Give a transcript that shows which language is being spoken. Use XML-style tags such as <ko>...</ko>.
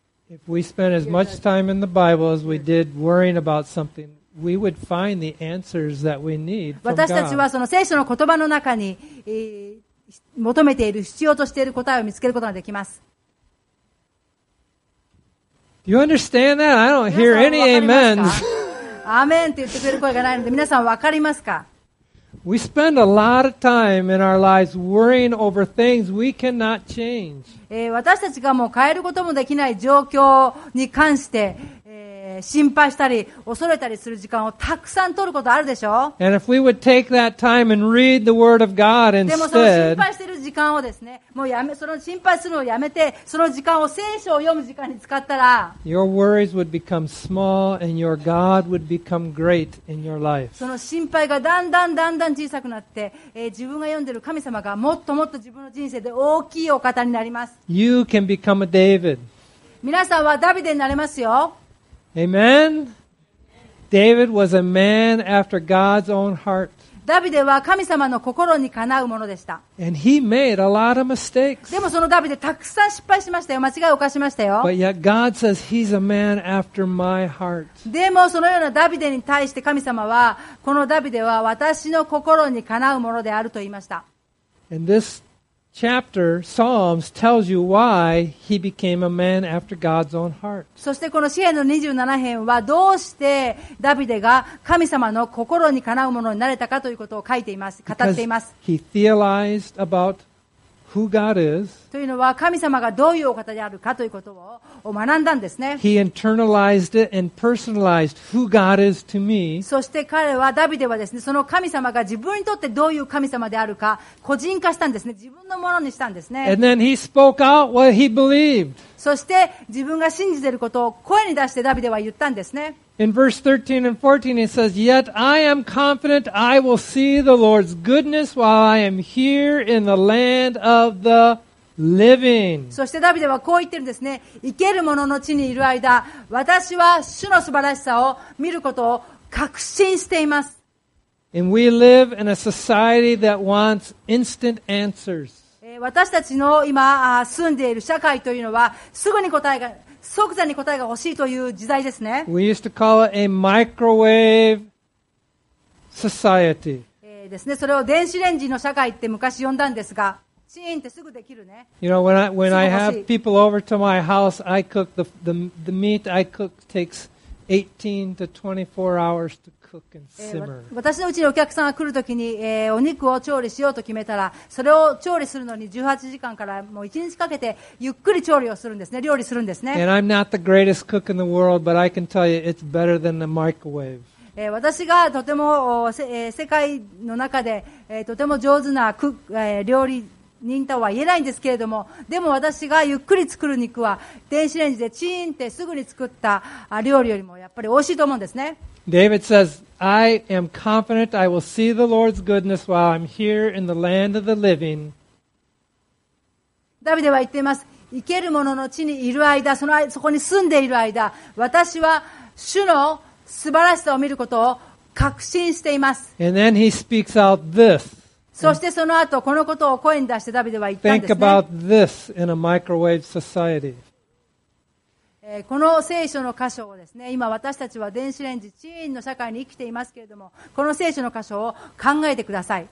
<en>If we spend as much time in the Bible as we did worrying about something, we would find the answers that we need from God.</en> <ja>私たちはその聖書の言葉の中に、求めている必要としている答えを見つけることができます。</ja> <en>Do you understand that? I don't hear any amens.</en> <ja>アーメンって言ってくれる声がないので、皆さんわかりますか？</ja> <en>We spend a lot of time in our lives worrying over things we cannot change.</en> <ja>私たちがもう変えることもできない状況に関して、心配したり恐れたりする時間をたくさん取ることあるでしょう。</ja> <en>And if we would take that time and read the word of God instead,</en> <ja>でもその心配している時間をですね、もうやめ、その心配するのをやめて、その時間を聖書を読む時間に使ったら、</ja> <en>your worries would become small and your God would become great in your life.</en> <ja>その心配がだんだんだんだん小さくなって、自分が読んでる神様がもっともっと自分の人生で大きいお方になります。</ja> <en>You can become a David.</en> <ja>皆さんはダビデになれますよ。</ja> <en>Amen. David was a man after God's own heart.</en> <ja>ダビデは神様の心にかなうものでした。</ja> <en>And he made a lot of mistakes.</en> <ja>でもそのダビデたくさん失敗しましたよ。間違いを犯しましたよ。</ja> <en>But yet God says he's a man after my heart.</en> <ja>でもそのようなダビデに対して神様はこのダビデは私の心にかなうものであると言いました。</ja> <en>And this chapter Psalms tells you why he became a man after God's own heart.</en> <ja>そしてこの詩篇の27編はどうしてダビデが神様の心にかなうものになれたかということを書いています、語っています。</ja> <en>He theorized about who God is.</en> <ja>というのは神様がどういうお方であるかということを学んだんですね。</ja> <en>He internalized it and personalized who God is to me.</en> <ja>そして彼はダビデはですね、その神様が自分にとってどういう神様であるか個人化したんですね。自分のものにしたんですね。</ja> <en>And then he spoke out what he believed.</en> <ja>そして自分が信じていることを声に出してダビデは言ったんですね。</ja> <en>In verse 13 and 14 it says, Yet I am confident I will see the Lord's goodness while I am here in the land of the living.</en> <ja>そしてダビデはこう言ってるんですね。生ける者の地にいる間、私は主の素晴らしさを見ることを確信しています。</ja> <en>And we live in a society that wants instant answers.</en> <ja>私たちの今住んでいる社会というのはすぐに答えが即座に答えが欲しいという時代ですね。</ja> <en>We used to call it a microwave society.</en> <ja>ですね、それを電子レンジの社会って昔呼んだんですが、チーンってすぐできるね。</ja> <en>You know, when I have people over to my house, I cook the meat I cook takes 18 to 24 hours to cook and simmer.</en> <ja>私のうちにお客さんが来るときに、お肉を調理しようと決めたら、それを調理するのに18時間からもう1日かけてゆっくり調理をするんですね、料理するんですね。</ja> <en>And I'm not the greatest cook in the world, but I can tell you it's better than the microwave.</en> <ja>私がとても、世界の中で、とても上手な料理人とは言えないんですけれども、でも私がゆっくり作る肉は電子レンジでチーンってすぐに作った料理よりもやっぱり美味しいと思うんですね。</ja> <en>David says, I am confident I will see the Lord's goodness while I'm here in the land of the living.</en> <ja>ダビデは言っています。生ける者の地にいる間、そこに住んでいる間、私は主の素晴らしさを見ることを確信しています。</ja> <en>And then he speaks out this.</en> <ja>そしてその後このことを声に出してダビデは言ったんですね。</ja> <en>Think about this in a microwave society.</en> <ja>この聖書の箇所をですね、今私たちは電子レンジチーンの社会に生きていますけれども、この聖書の箇所を考えてください。</ja>